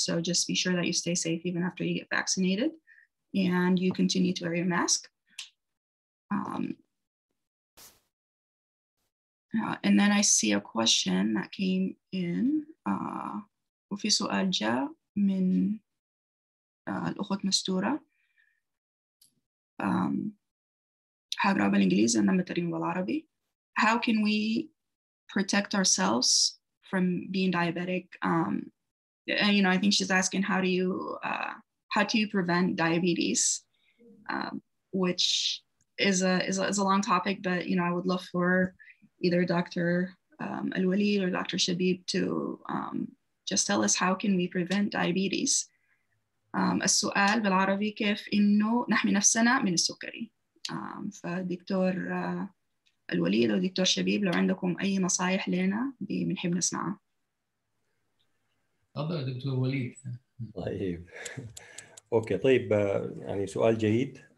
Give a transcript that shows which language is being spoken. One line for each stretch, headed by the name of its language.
English: So just be sure that you stay safe even after you get vaccinated and you continue to wear your mask. And then I see a question that came in.
Arabic: وفي سؤال جاء من الأخت مستورة. حقرأ بالإنجليزي أنا مترجم بالعربي.
English: How can we protect ourselves from being diabetic? And, I think she's asking how do you prevent diabetes, which is a long topic, but I would love for either Dr. Al-Waleed or Dr. Shabib to just tell us how can we prevent diabetes.
Arabic: السؤال بالعربي كيف إنه نحمي نفسنا من السكري. فدكتور الوليد أو دكتور شبيب لو عندكم أي نصائح لنا بنحب نسمعها. تفضل دكتور وليد. طيب أوكي طيب يعني سؤال جيد.